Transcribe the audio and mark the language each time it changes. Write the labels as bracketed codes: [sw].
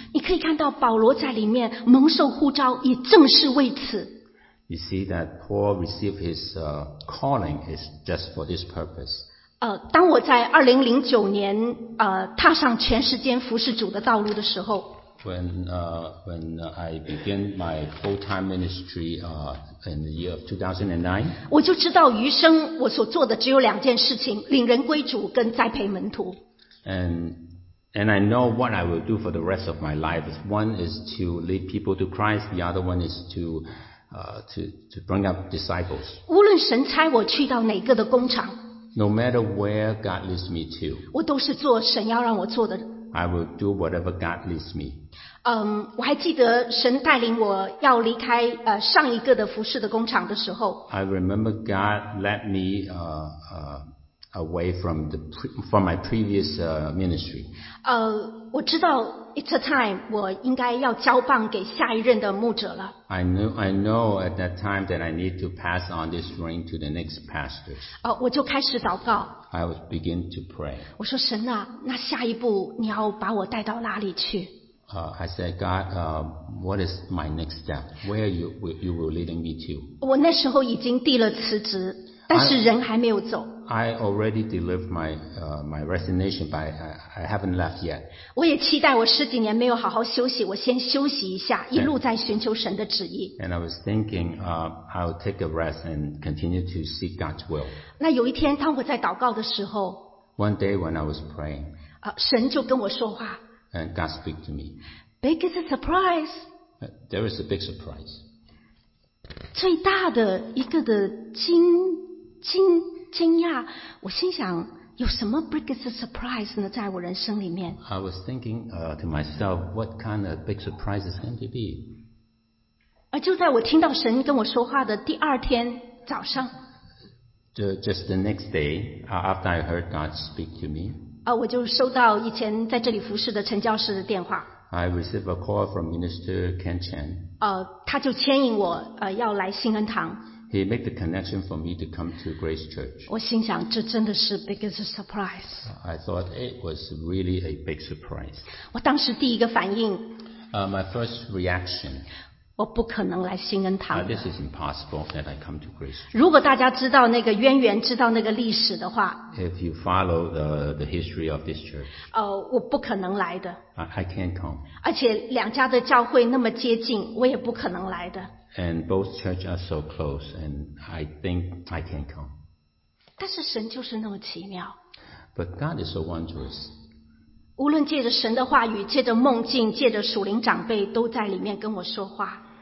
[zh] 你可以看到保罗在里面蒙受呼召也正是为此。 [en] You see that Paul received his calling is just for this purpose. [zh] 当我在2009年踏上全世间服事主的道路的时候。 [en] When I began my full-time ministry in the year of 2009, [zh] 我就知道余生我所做的只有两件事情，领人归主跟栽培门徒。 [en] And I know what I will do for the rest of my life. One is to lead people to Christ, the other one is to bring up disciples. [zh] 无论神差我去到哪个的工厂， [en] No matter where God leads me to, [zh] 我都是做神要让我做的。 [en] I will do whatever God leads me. [zh] 我还记得神带领我要离开上一个的服事的工厂的时候。 [en] I remember God led me away from my previous ministry. [zh] 我知道 [en] it's a time [zh] 我应该要交棒给下一任的牧者了。 [en] I know at that time that I need to pass on this ring to the next pastor. [zh] 我就开始祷告。 [en] I would begin to pray. [zh] 我说神啊，那下一步你要把我带到哪里去？ [en] I said, God, what is my next step? Where you will leading me to? [zh] 我那时候已经递了辞职，但是人还没有走。 [en] I already delivered my resignation, but I haven't left yet. [zh] 我也期待我十几年没有好好休息，我先休息一下，一路在寻求神的旨意。 [en] And I was thinking, I'll take a rest and continue to seek God's will. [zh] 那有一天，当我在祷告的时候 [en] ，One day when I was praying, [zh] 神就跟我说话。 [en] And God speak to me. Big is a surprise. There is a big surprise. [zh] 最大的一个的惊讶，我心想有什么 [en] biggest surprise [zh] 呢？在我人生里面 [en] ，I was thinking to myself, what kind of big surprise is going to be? [zh] 而就在我听到神跟我说话的第二天早上 [en] ，just the next day after I heard God speak to me， [zh] 我就收到以前在这里服侍的陈教师的电话。 [en] I received a call from Minister Ken Chen。 [zh] 他就牵引我要来新恩堂。 [en] He made the connection for me to come to Grace Church. [zh] 我心想，这真的是 [en] biggest surprise. I thought it was really a big surprise. [zh] 我当时第一个反应。 [en] My first reaction. [zh] 我不可能来新恩堂。 [en] This is impossible that I come to Grace Church. [zh] 如果大家知道那个渊源，知道那个历史的话。 [en] If you follow the history of this church. [zh] 我不可能来的。 [en] I can't come. [zh] 而且两家的教会那么接近，我也不可能来的。 [en] And both churches are so close, and I think I can't come. [zh] 但是神就是那么奇妙。 [en] But God is so wondrous. [zh] 无论借着神的话语，借着梦境，借着属灵长辈，都在里面跟我说话。